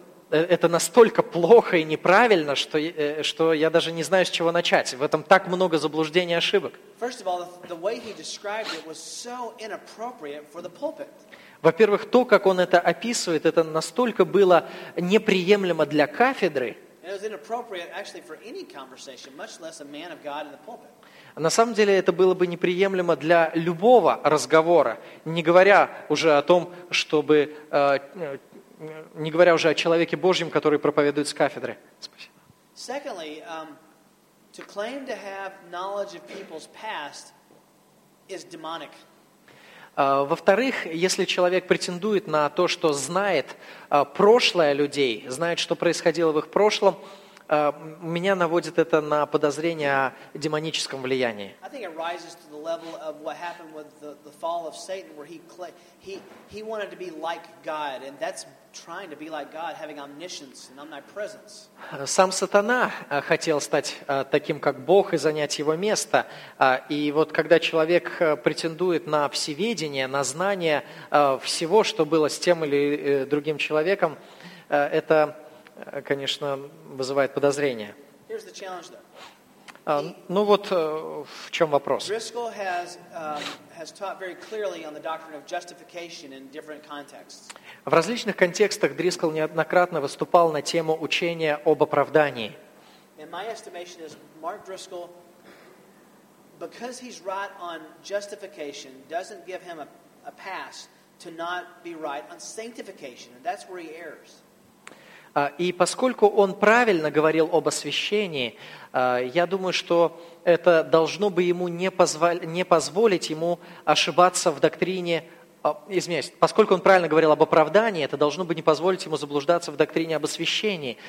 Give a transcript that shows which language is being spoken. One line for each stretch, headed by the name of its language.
Russian: Это настолько плохо и неправильно, что я даже не знаю, с чего начать. В этом так много заблуждений и ошибок.
English: First of all, the way he described it was so inappropriate for the pulpit.
Russian: Во-первых, то, как он это описывает, это настолько было неприемлемо для кафедры. На самом деле, это было бы неприемлемо для любого разговора, не говоря уже о человеке Божьем, который проповедует с кафедры. Спасибо.
English: Secondly, to claim to have knowledge of people's past is demonic.
Russian: Во-вторых, если человек претендует на то, что знает прошлое людей, знает, что происходило в их прошлом, меня наводит это на подозрение о демоническом влиянии.
English: I think it rises to the level of what happened with the fall of Satan, where he wanted to be like God, and that's trying to be like God, having omniscience and omnipresence.
Russian: Сам сатана хотел стать таким, как Бог, и занять его место. И вот когда человек претендует на всеведение, на знание всего, что было с тем или другим человеком, это, конечно, вызывает подозрения.
English: Here's the challenge, though.
Russian: Ну вот в чем вопрос.
English: Driscoll has taught very clearly on the doctrine of justification in different contexts.
Russian: В различных контекстах Driscoll неоднократно выступал на тему учения об оправдании.
English: And my estimation is Mark Driscoll, because he's right on justification, doesn't give him a pass to not be right on sanctification, and that's where he errs.
Russian: И поскольку он правильно говорил об освящении, я думаю, что это должно бы ему не позволить ему ошибаться в доктрине, извиняюсь, поскольку он правильно говорил об оправдании, это должно бы не позволить ему заблуждаться в доктрине об освящении.